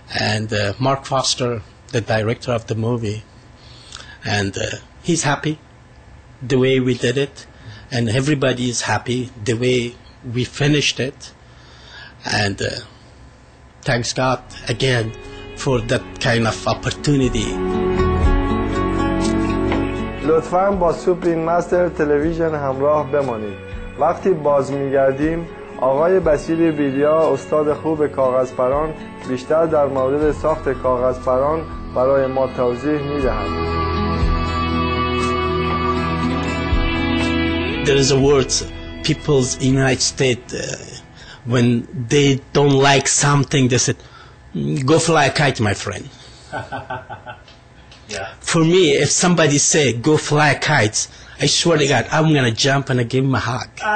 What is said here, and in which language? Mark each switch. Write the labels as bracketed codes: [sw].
[en] And Mark Foster, the director of the movie, and he's happy the way we did it. And everybody is happy the way we finished it. And thanks God again for that kind of opportunity. [fa] لطفاً با سوپریم مستر تلویزیون همراه بمانید. وقتی باز می‌گردیم، آقای بصیر بیریا، استاد خوب کاغذپران، بیشتر در مورد ساخت کاغذپران برای ما توضیح می‌دهد. [en] There is a word, people's United States, when they don't like something, they said, "Go fly a kite, my friend." Yeah. For me, if somebody say go fly kites, I swear to God, I'm gonna jump and I give him a hug.